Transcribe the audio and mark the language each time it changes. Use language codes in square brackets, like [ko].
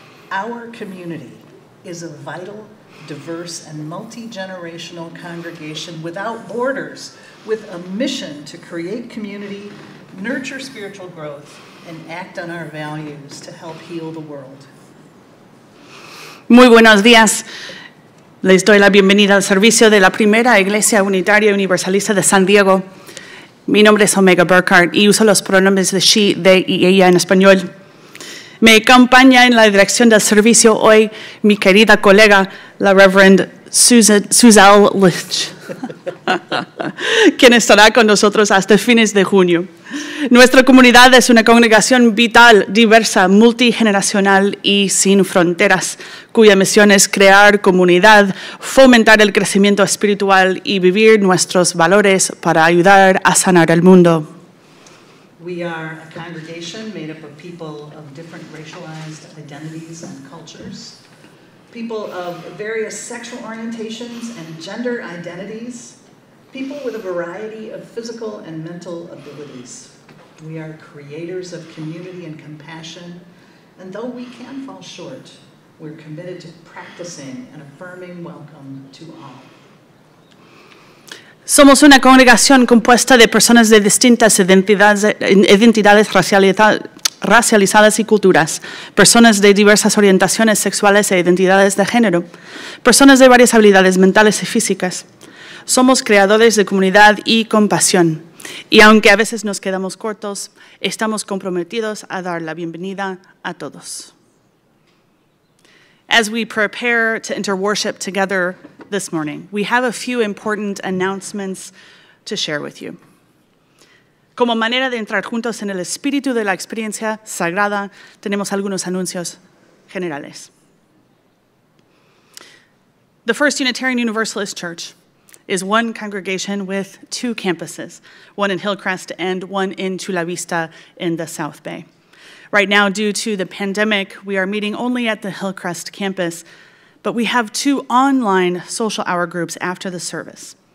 [en] Our community is a vital, diverse, and multi-generational congregation without borders, with a mission to create community, nurture spiritual growth, and act on our values to help heal the world. [es] Muy buenos días. Les doy la bienvenida al servicio de la Primera Iglesia Unitaria Universalista de San Diego. Mi nombre es Omega Burkhart y uso los pronombres de she, de y ella en español. Me acompaña en la dirección del servicio hoy mi querida colega, la Reverend Suzelle Lynch, quien estará con nosotros hasta fines de junio. Nuestra comunidad es una congregación vital, diversa, multigeneracional y sin fronteras, cuya misión es crear comunidad, fomentar el crecimiento espiritual y vivir nuestros valores para ayudar a sanar el mundo. [en] We are a congregation made up of people of different racialized identities and cultures, people of various sexual orientations and gender identities, people with a variety of physical and mental abilities. We are creators of community and compassion, and though we can fall short, we're committed to practicing an affirming welcome to all. [es] Somos una congregación compuesta de personas de distintas identidades racializadas y culturas, personas de diversas orientaciones sexuales e identidades de género, personas de varias habilidades mentales y físicas. Somos creadores de comunidad y compasión. Y aunque a veces nos quedamos cortos, estamos comprometidos a dar la bienvenida a todos. [en] As we prepare to enter worship together this morning, we have a few important announcements to share with you. [es] Como manera de entrar juntos en el espíritu de la experiencia sagrada, tenemos algunos anuncios generales. [en] The First Unitarian Universalist Church is one congregation with two campuses, one in Hillcrest and one in Chula Vista in the South Bay. Right now, due to the pandemic, we are meeting only at the Hillcrest campus, but we have two online social hour groups after the service.